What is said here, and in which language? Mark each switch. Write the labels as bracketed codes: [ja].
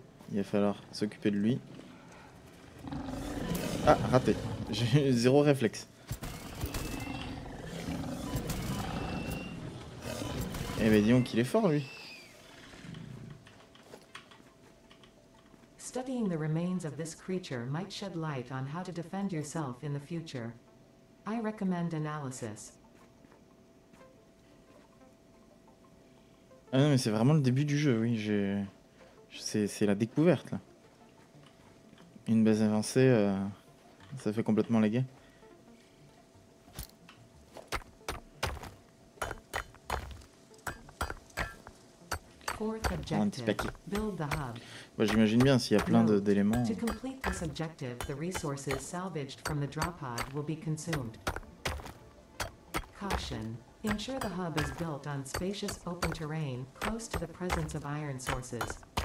[fr] Il va falloir s'occuper de lui. Ah, raté. J'ai zéro réflexe. Eh ben dis donc qu'il est fort, lui. [en] Studying the remains of this creature might shed light on how to defend yourself in the future. I recommend analysis. [fr] Ah non, mais c'est vraiment le début du jeu, oui, j'ai... C'est la découverte, là. Une base avancée, ça fait complètement laguer. Un petit paquet. [en] Build the hub. [fr] Bah, j'imagine bien s'il y a plein d'éléments. [en] To complete this objective, the resources salvaged from the drop pod will be consumed. Caution. Ensure the hub is built on spacious open terrain, close to the presence of iron sources.